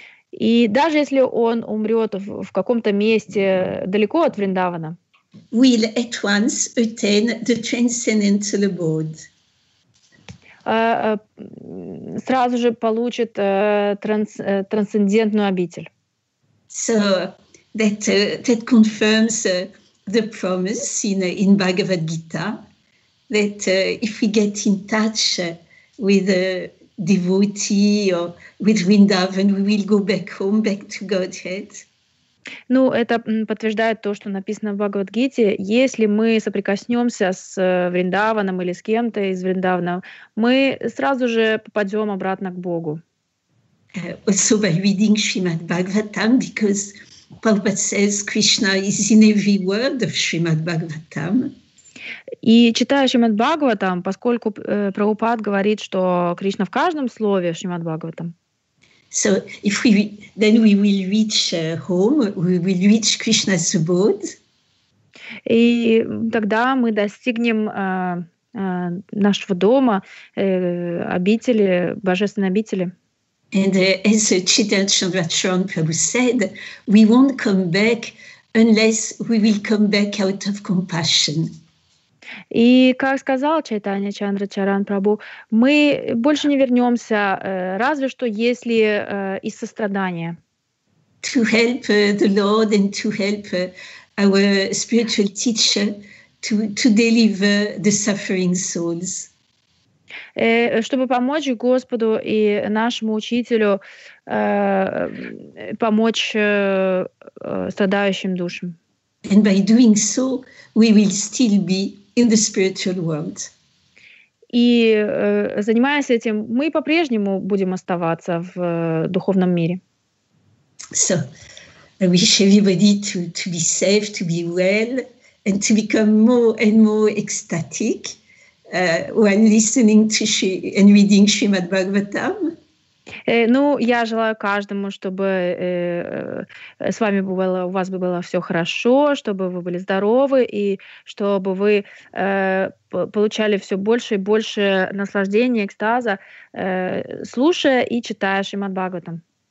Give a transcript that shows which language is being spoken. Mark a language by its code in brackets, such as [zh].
[ru] И даже если он умрет в каком-то месте далеко от Вриндавана, [en] will at once attain the transcendental abode. [ru] Сразу же получит трансцендентную обитель. [en] So that confirms the promise in Bhagavad Gita that if we get in touch with devotee or with Vrindavan, we will go back home, back to Godhead. [ru] Ну, это подтверждает то, что написано в Бхагавад-гите. Если мы соприкоснемся с Вриндаваном или с кем-то из Вриндавана, мы сразу же попадем обратно к Богу. [en] Also by reading Srimad Bhagavatam, because Prabhupada says Krishna is in every word of Srimad Bhagavatam. [ru] И читая Шримад Бхагаватам, поскольку Прабхупад говорит, что Кришна в каждом слове Шримад Бхагаватам. [en] So if we then we will reach home, we will reach Krishna's abode. [ru] И тогда мы достигнем нашего дома, обители, божественной обители. [en] And as Chaitanya Chandrachuran Prabhu said, we won't come back unless we will come back out of compassion. [ru] И как сказал Чайтанья Чандрачаран Прабху, мы больше не вернемся, разве что если из сострадания. [en] To help the Lord and to help our spiritual teacher to deliver the suffering souls. [ru] Чтобы помочь Господу и нашему учителю помочь страдающим душам. [en] And by doing so, we will still be in the spiritual world. [ru] И занимаясь этим, мы по-прежнему будем оставаться в духовном мире. [en] So, I wish everybody to be safe, to be well, and to become more and more ecstatic while listening to and reading Srimad Bhagavatam. [ru] Ну, я желаю каждому, чтобы с вами было, у вас было все хорошо, чтобы вы были здоровы и чтобы вы получали все больше и больше наслаждения, экстаза, слушая и читая Шримад Бхагаватам.